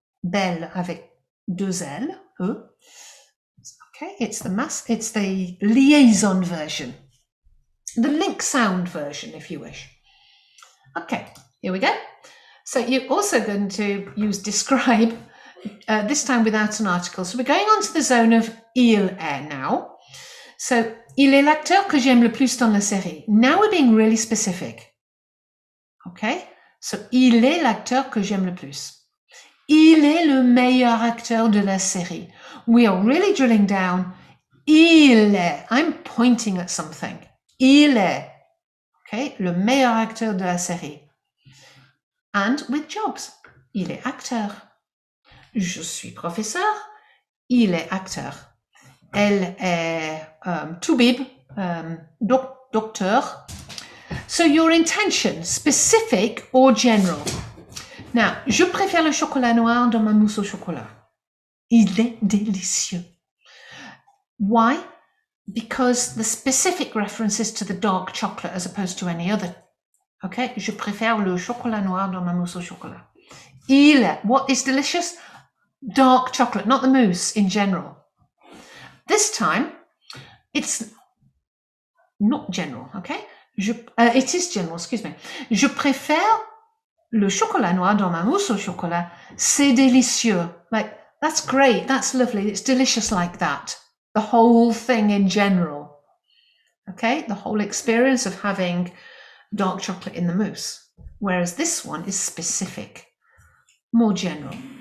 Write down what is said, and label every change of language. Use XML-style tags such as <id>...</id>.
<fr>Belle avec deux L, eux.</fr> <en>Okay, it's the liaison version, the link sound version, if you wish. Okay, here we go. So you're also going to use describe, this time without an article. So we're going on to the zone of il air now. So</en> <fr>Il est l'acteur que j'aime le plus dans la série.</fr> <en>Now we're being really specific. Okay?</en> <fr>So, il est l'acteur que j'aime le plus. Il est le meilleur acteur de la série.</fr> <en>We are really drilling down. Il est. I'm pointing at something. Il est. Okay?</en> <fr>Le meilleur acteur de la série.</fr> <en>And with jobs.</en> <fr>Il est acteur. Je suis professeur. Il est acteur. Elle est toubib, docteur.</fr> <en>So your intention, specific or general.</en> <fr>Now, je préfère le chocolat noir dans ma mousse au chocolat. Il est délicieux. Why?</fr> <en>Because the specific reference is to the dark chocolate as opposed to any other.</en> <fr>Okay, je préfère le chocolat noir dans ma mousse au chocolat.</fr> <en>Il est, what is delicious? Dark chocolate, not the mousse in general. This time, it's not general, okay? It is general, excuse me.</en> <fr>Je préfère le chocolat noir dans ma mousse au chocolat. C'est délicieux.</fr> <en>Like, that's great, that's lovely, it's delicious like that. The whole thing in general. Okay, the whole experience of having dark chocolate in the mousse. Whereas this one is specific, more general.</en>